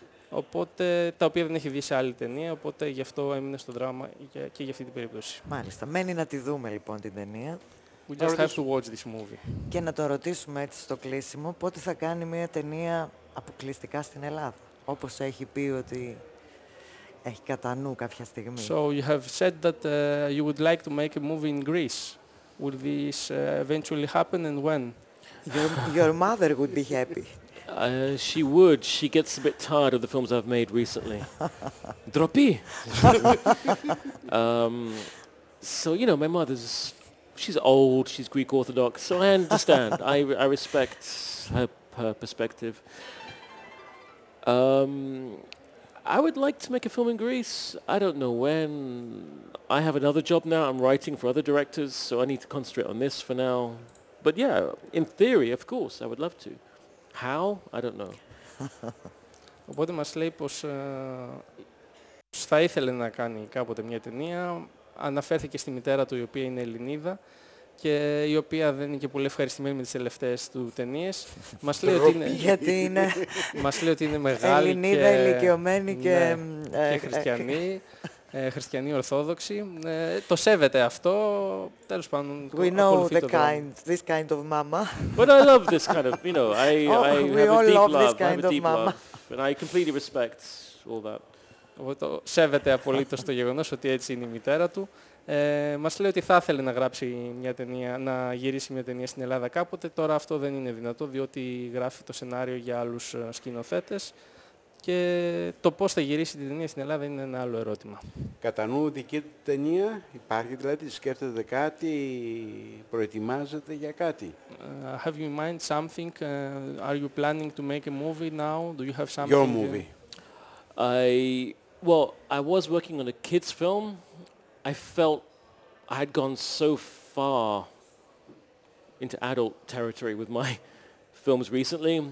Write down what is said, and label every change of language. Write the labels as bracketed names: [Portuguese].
[Greek] Οπότε, τα οποία δεν έχει δει σε άλλη ταινία, οπότε γι' αυτό έμεινε στο δράμα και για αυτή την περίπτωση. Μάλιστα. Μένει να τη δούμε λοιπόν την ταινία. [English] We just have to watch this movie. [Greek] Και να το ρωτήσουμε έτσι στο κλείσιμο, πότε θα κάνει μια ταινία αποκλειστικά στην Ελλάδα, όπως έχει πει ότι έχει κατά νου κάποια στιγμή. [English] So you have said that you would like to make a movie in Greece. Will this eventually happen and when? Your mother would be happy. She would. She gets a bit tired of the films I've made recently. Droppy. So you know, my mother's. She's old, she's Greek Orthodox, so I understand. I respect her perspective. I would like to make a film in Greece. I don't know when. I have another job now. I'm writing for other directors, so I need to concentrate on this for now. But yeah, in theory, of course, I would love to. How? I don't know. [Greek] Οπότε μας λέει πως θα ήθελε να κάνει κάποτε μια ταινία. Αναφέρθηκε στη μητέρα του, η οποία είναι Ελληνίδα και η οποία δεν είναι και πολύ ευχαριστημένη με τις τελευταίες του ταινίες. Μας λέει ότι είναι... Γιατί είναι... Μας λέει ότι είναι μεγάλη Ελληνίδα, και... ηλικιωμένη και... Ναι, και χριστιανή. Χριστιανή Ορθόδοξη. Το σέβεται αυτό. Τέλος πάντων, [English] we know the kind, this kind of mama. But I love this kind of, you know, I have a deep love. And I completely respect all that. [Greek] Σέβεται απολύτως το γεγονός ότι έτσι είναι η μητέρα του. Μας λέει ότι θα ήθελε να γράψει μια ταινία, να γυρίσει μια ταινία στην Ελλάδα κάποτε. Τώρα αυτό δεν είναι δυνατό, διότι γράφει το σενάριο για άλλους σκηνοθέτες. Και το πώς θα γυρίσει την ταινία στην Ελλάδα είναι ένα άλλο ερώτημα. Κατά νου δική του ταινία υπάρχει, δηλαδή σκέφτεται κάτι, προετοιμάζεται για κάτι. [English] Have you in mind something? Are you planning to make a movie now? Do you have something? Your movie. I was working on a kids film. I felt I had gone so far into adult territory with my films recently.